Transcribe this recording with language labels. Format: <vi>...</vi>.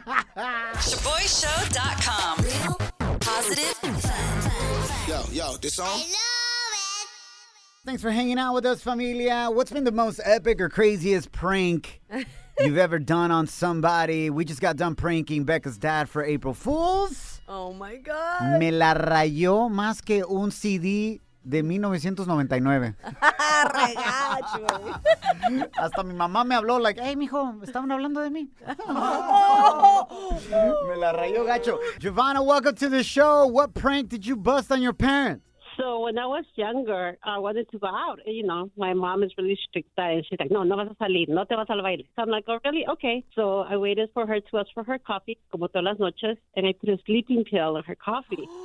<en>Chavoyshow.com. Positive. Yo, this song? I love it. Thanks for hanging out with us, familia. What's been the most epic or craziest prank you've ever done on somebody? We just got done pranking Becca's dad for April Fool's. Oh, my God.</en> <es>Me la rayó más que un CD de 1999. Regacho. Hasta mi mamá me habló</es> <en>like, hey,</en> <es>mijo, estaban hablando de mí. Me la rayó, gacho. Giovanna,</es> <en>welcome to the show. What prank did you bust on your parents? So when I was younger, I wanted to go out. You know, my mom is really strict and she's like,</en> <es>no vas a salir, no te vas al baile.</es> <en>So I'm like, oh, really? Okay. So I waited for her to ask for her coffee,</en> <es>como todas las noches,</es> <en>and I put a sleeping pill in her coffee.</en>